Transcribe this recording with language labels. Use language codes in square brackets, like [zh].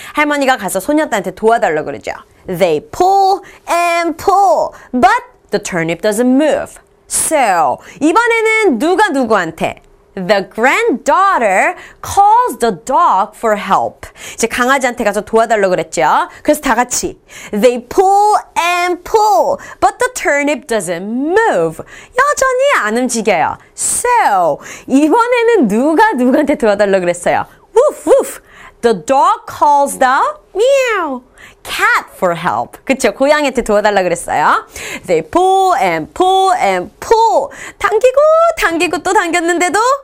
[ko] 할머니가 가서 손녀딸한테 도와달라고 그러죠. [en] They pull and pull, but the turnip doesn't move. So, [ko] 이번에는 누가 누구한테? [en] The granddaughter calls the dog for help. [ko] 이제 강아지한테 가서 도와달라고 그랬죠. 그래서 다 같이 [en] They pull and pull, but the turnip doesn't move. [ko] 여전히 안 움직여요. So, 이번에는 누가한테 도와달라고 그랬어요. Woof, woof. [en] The dog calls the meow. Cat for help. [ko] 그쵸? 고양이한테 도와달라 그랬어요. [en] They pull and pull and pull. [ko] 당기고 또 당겼는데도